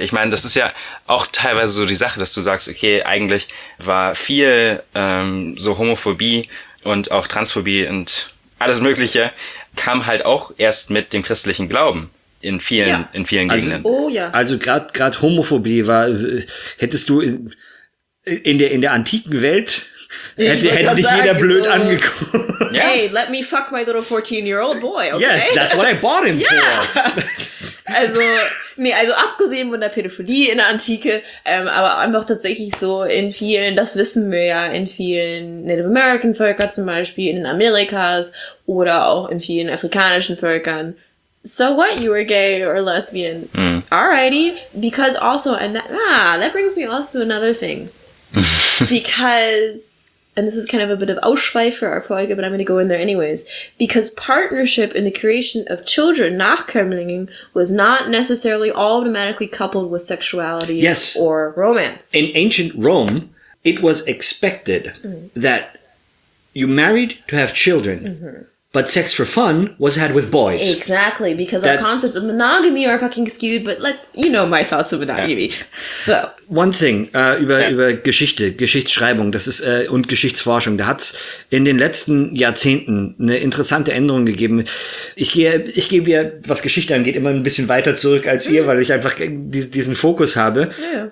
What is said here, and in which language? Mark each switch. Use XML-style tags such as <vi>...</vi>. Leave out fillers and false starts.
<de>Ich meine, das ist ja auch teilweise so die Sache, dass du sagst, okay, eigentlich war viel so Homophobie und auch Transphobie und alles Mögliche kam halt auch erst mit dem christlichen Glauben in vielen Gegenden. Also gerade Homophobie war, hättest du in der antiken Welt, hätte dich jeder blöd angeguckt.</de> <en>Yes. Hey, let me fuck my little 14-year-old boy, okay? Yes, that's what I bought him for.</en> <de>Also abgesehen von der Pädophilie in der Antike, aber einfach tatsächlich so in vielen, das wissen wir ja, in vielen Native American Völkern zum Beispiel, in den Amerikas oder auch in vielen afrikanischen Völkern.</de> <en>So what, you were gay or lesbian? Alrighty, because also, that brings me also to another thing. Because, and this is kind of a bit of Ausschweif for our Folge, but I'm going to go in there anyways. Because partnership in the creation of children, Nachkömmlingen, was not necessarily automatically coupled with sexuality or romance. In ancient Rome, it was expected that you married to have children. Mm-hmm. But sex for fun was had with boys. Exactly, because our concepts of monogamy are fucking skewed, but like, you know my thoughts of monogamy. Yeah. So. One thing,</en> <de>über Geschichte, Geschichtsschreibung, das ist, und Geschichtsforschung, da hat's in den letzten Jahrzehnten eine interessante Änderung gegeben. Ich gehe ja, was Geschichte angeht, immer ein bisschen weiter zurück als ihr, weil ich einfach diesen Fokus habe.</de> <en>Yeah.</en>